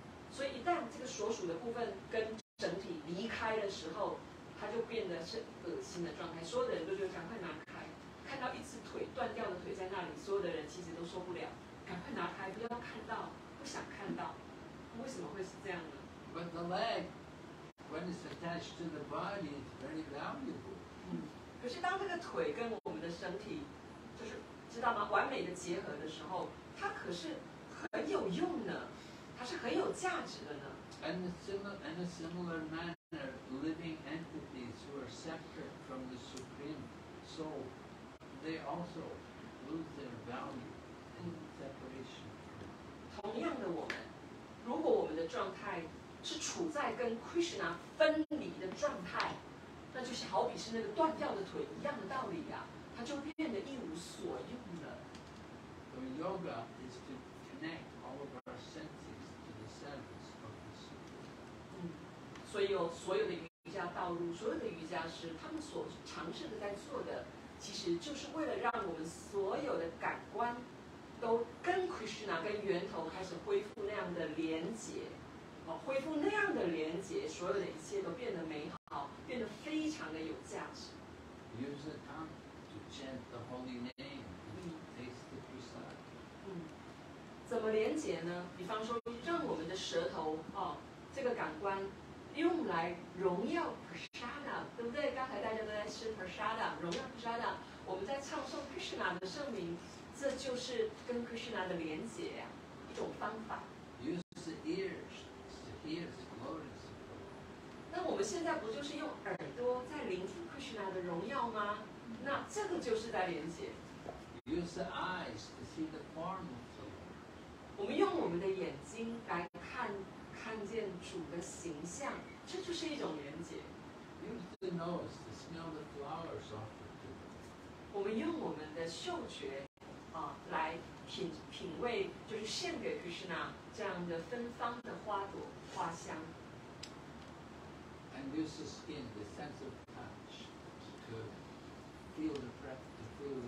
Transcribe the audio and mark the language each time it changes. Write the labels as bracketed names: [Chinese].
[Chinese] 所以一旦这个所属的部分跟整体离开的时候，它就变得是恶心的状态，所有的人都觉得赶快拿开。看到一只腿断掉的腿在那里，所有的人其实都受不了，赶快拿开，不要看到，不想看到。为什么会是这样呢？ [English] But the leg, when it's attached to the body, is very valuable. [Chinese] 可是当这个腿跟我们的身体，就是知道吗？完美的结合的时候，它可是很有用的，它是很有价值的呢。 [English] And in a similar manner, living entities who are separate from the supreme soul, they also lose their value in separation. [Chinese] 同样的，我们如果我们的状态是处在跟 Krishna 分离的状态，那就是好比是那个断掉的腿一样的道理啊，它就变得一无所用了。 [English] So yoga is to connect all of our senses to the service of the Supreme. [Chinese] 所以有所有的瑜伽道路，所有的瑜伽师，他们所尝试的在做的，其实就是为了让我们所有的感官都跟 Krishna 跟源头开始恢复那样的连结。恢复那样的连结，所有的一切都变得美好，变得非常的有价值。 [English] Use the tongue to chant the holy name, taste the prasad. [Chinese] 怎么连结呢？比方说，让我们的舌头这个感官用来荣耀 prasada， 对不对？刚才大家都在吃 prasada， 荣耀 prasada。我们在唱诵 Krishna 的圣名，这就是跟 Krishna 的连结呀，一种方法。 [English] Use the ears. Ears, glorious. [Chinese] 那我们现在不就是用耳朵在聆听 Krishna 的荣耀吗？那这个就是在连接。 [English] Use the eyes to see the form of the Lord. [Chinese] 我们用我们的眼睛来看见主的形象，这就是一种连接。 [English] Use the nose to smell the flowers off the tree. [Chinese] 我们用我们的嗅觉来品味，就是献给 Krishna 这样的芬芳的花朵花香。 [English] And use the skin, the sense of touch, to feel the breath, to feel the